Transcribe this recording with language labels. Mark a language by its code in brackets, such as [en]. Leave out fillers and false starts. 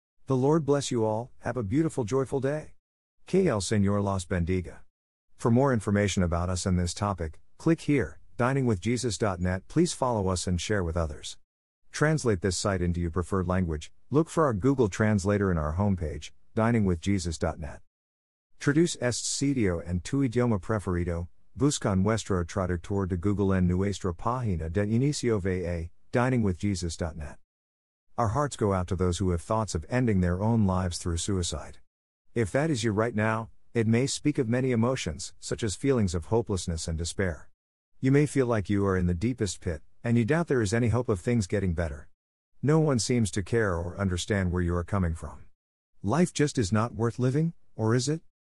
[en] The Lord bless you all, have a beautiful, joyful day. [es] Que el Señor los bendiga. [en] For more information about us and this topic, click here, diningwithjesus.net. Please follow us and share with others. Translate this site into your preferred language, look for our Google Translator in our homepage, diningwithjesus.net. [es] Traduce este sitio en tu idioma preferido, busca nuestro traductor de Google en nuestra página de inicio VA, diningwithjesus.net. [en] Our hearts go out to those who have thoughts of ending their own lives through suicide. If that is you right now, it may speak of many emotions, such as feelings of hopelessness and despair. You may feel like you are in the deepest pit, and you doubt there is any hope of things getting better. No one seems to care or understand where you are coming from. Life just is not worth living, or is it?